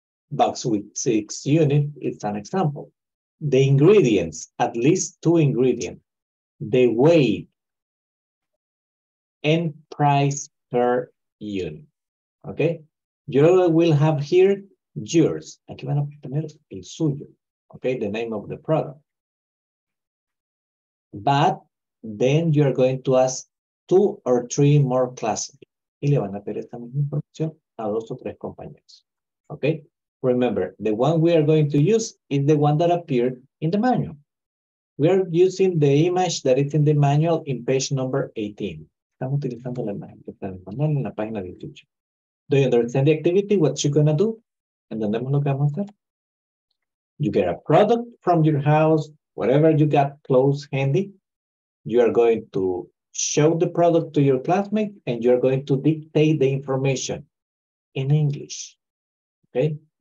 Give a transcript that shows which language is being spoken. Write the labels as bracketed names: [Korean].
[English] Box with 6 units, it's an example. The ingredients, at least 2 ingredients, the weight, and price per unit, okay? You will have here yours. [Spanish] Aquí van a tener el suyo, [English] okay? The name of the product. But then you're going to ask 2 or 3 more classes. [Spanish] Y le van a pedir esta misma información a 2 o 3 compañeros, okay? [English] Remember, the one we are going to use is the one that appeared in the manual. We are using the image that is in the manual in page number 18. [Spanish] Estamos utilizando la imagen que está en el manual en la página de YouTube. [English] Do you understand the activity? What you're going to do? [Spanish] ¿Entendemos lo que vamos a hacer? [English] You get a product from your house, whatever you got close handy. You are going to show the product to your classmate and you're going to dictate the information in English, okay?